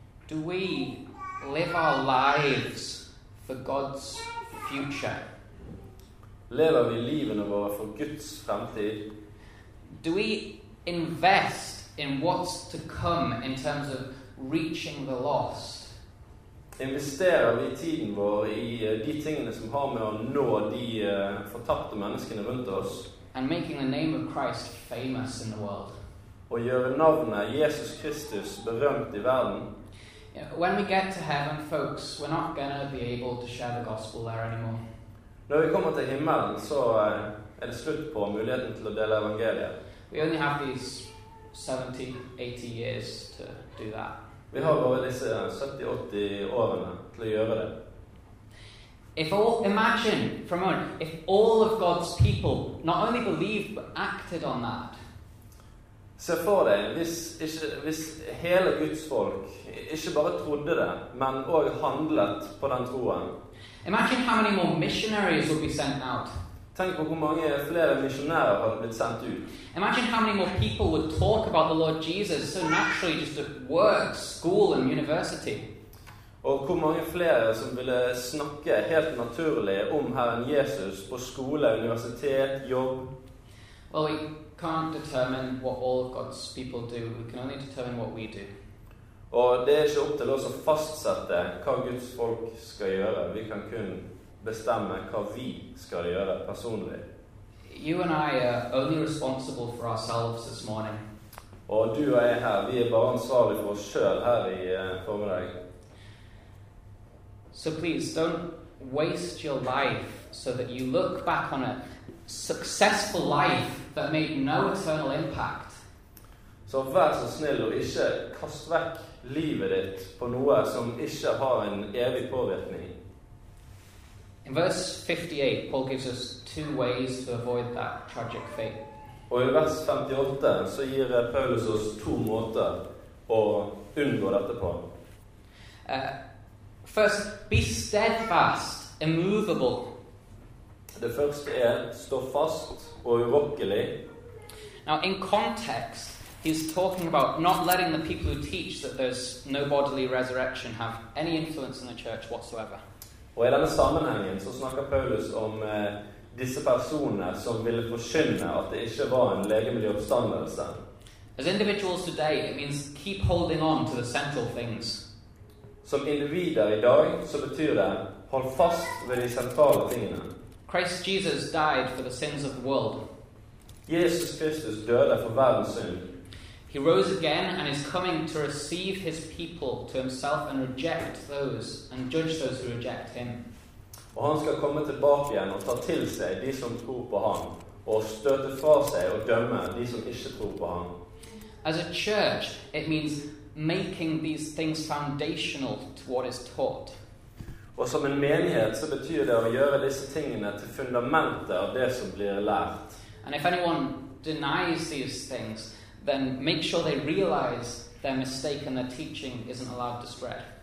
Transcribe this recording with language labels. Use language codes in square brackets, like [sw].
[en] Do we live our lives for God's future? [no] Lever vi livene våre for Guds fremtid? [en] Do we invest in what's to come in terms of reaching the lost? [no] Investerer vi tiden vår i de tingene som har med å nå de fortapte menneskene rundt oss? [en] And making the name of Christ famous in the world. [no] Og gjøre navnet Jesus Kristus berømt i verden. [en] When we get to heaven, folks, we're not going to be able to share the gospel there anymore. [no] Når vi kommer til himmelen, så er det slutt på muligheten til å dele evangeliet. [en] We only have these 70, 80 years to do that. [no] Vi har bare disse 70-80 årene til å gjøre det. [en] Imagine for a moment, if all of God's people not only believed but acted on that. [no] Se for deg, hvis hele Guds folk ikke bare trodde det, men også handlet på den troen. [en] Imagine how many more missionaries would be sent out. [no] Tenk på hvor mange flere misjonærer hadde blitt sendt ut. [en] Imagine how many more people would talk about the Lord Jesus so naturally just at work, school and university. [no] Og hvor mange flere som ville snakke helt naturlig om Herren Jesus på skole, universitet, jobb. [en] Well, we can't determine what all of God's people do. We can only determine what we do. [no] Og det ikke opp til oss å fastsette hva Guds folk skal gjøre. Vi kan kun bestemme hva vi skal gjøre personlig. [en] You and I are only responsible for ourselves this morning. [no] Og du og jeg her, vi bare ansvarlig for oss selv her i formiddag. [en] So please don't waste your life so that you look back on a successful life that made no eternal impact. [no] Så vær så snill og ikke kast vekk livet ditt på noe som ikke har en evig påvirkning. [en] In verse 58, Paul gives us two ways to avoid that tragic fate. [no] Og I vers 58 så gir Paulus oss to måter å unngå dette på. [en] First, be steadfast, immovable. [no] Det første stå fast og urokkelig. [en] Now, in context, he's talking about not letting the people who teach that there's no bodily resurrection have any influence in the church whatsoever. [no] Og I denne sammenhengen så snakker Paulus om disse personene som ville forkynne at det ikke var en legemlig oppstandelse. [en] As individuals today, it means keep holding on to the central things. [no] Som individer I dag, så betyr det, hold fast ved de sentrale tingene. [en] Christ Jesus died for the sins of the world. [no] Jesus Kristus døde for verdens synd. [en] He rose again and is coming to receive his people to himself and reject those and judge those who reject him. [no] Og han skal komme tilbake igjen og ta til seg de som tror på ham og støte fra seg og dømme de som ikke tror på ham. [en] As a church, it means making these things foundational to what is taught. [no] Og som en menighet så betyr det å gjøre disse tingene til fundamentet av det som blir lært. [en] And if anyone denies these things, then make sure they realize their mistake and their teaching isn't allowed to spread.